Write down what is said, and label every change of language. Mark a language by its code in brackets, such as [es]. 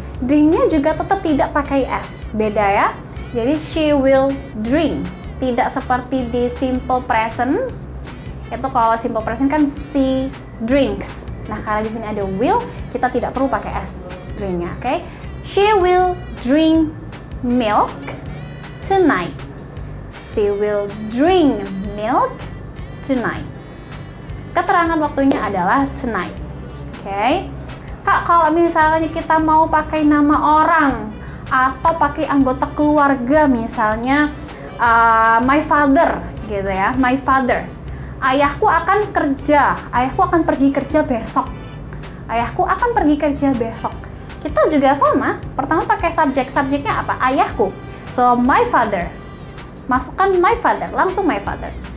[id] Drink-nya juga tetap tidak pakai s. Beda ya. Jadi [en] she will drink. [id] Tidak seperti di simple present. Itu kalau simple present kan [en] she drinks. [id] Nah, karena di sini ada will, kita tidak perlu pakai S drink-nya, oke? [en] Okay? She will drink milk tonight. She will drink milk tonight. [id] Keterangan waktunya adalah tonight, oke? Okay? Kak, kalau misalnya kita mau pakai nama orang atau pakai anggota keluarga, misalnya [en] my father, gitu ya, my father. [id] Ayahku akan kerja, ayahku akan pergi kerja besok. Ayahku akan pergi kerja besok. Kita juga sama, pertama pakai subjek, subjeknya apa? Ayahku. [en] So, my father. [id] Masukkan [en] my father, [id] langsung my father.